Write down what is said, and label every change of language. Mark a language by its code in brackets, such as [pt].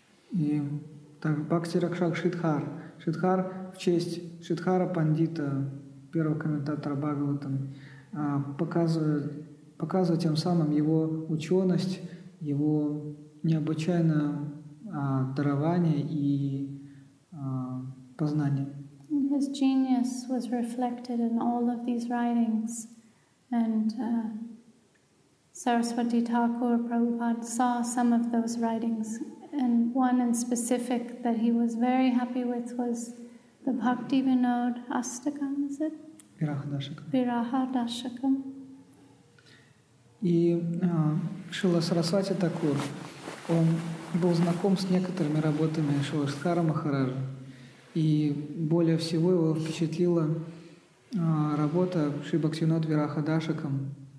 [ru] И так, Бхакти Ракшак Шридхар. Шридхар в честь Шридхара Пандита, первого комментатора Бхагаватам, показывает тем самым его ученость, его необычайное дарование и познание. [en] His genius was reflected in all of these writings, and Saraswati Thakur Prabhupada saw some of those writings. And one in specific that he was very happy with was the Bhakti Vinod Astakam, is it? Virahadashakam. [ru] И Шрила Сарасвати Такур, он был знаком с некоторыми работами Шрилы Шридхара Махараджа, и более всего его впечатлила работа Шри Бхактивинод Вирахадашакам.